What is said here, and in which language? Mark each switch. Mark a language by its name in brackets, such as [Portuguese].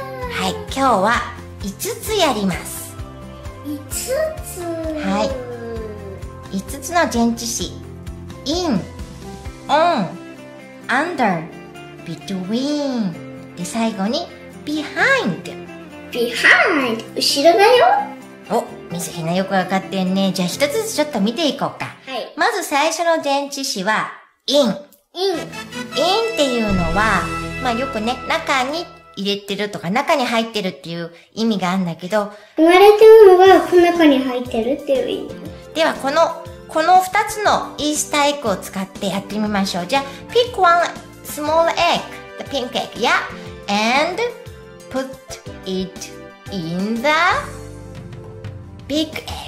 [Japanese] はい、今日は5つやります。 5つ。はい、5つの前置詞。 in、 on、 under、 between、 で最後に behind。 behind、 後ろだよ。お、みずひなよくわかってんね。じゃあ1つずつちょっと見ていこうか。はい、まず最初の前置詞は in。 in っていうのは、まあよくね、中に入れてるとか中に入ってるっていう意味があるんだけど、生まれてるのがこの中に入ってるっていう意味。ではこの2つのイースターエッグを使ってやってみましょう。じゃあ [English] pick one small egg, the pink egg, yeah, and put it in the big egg.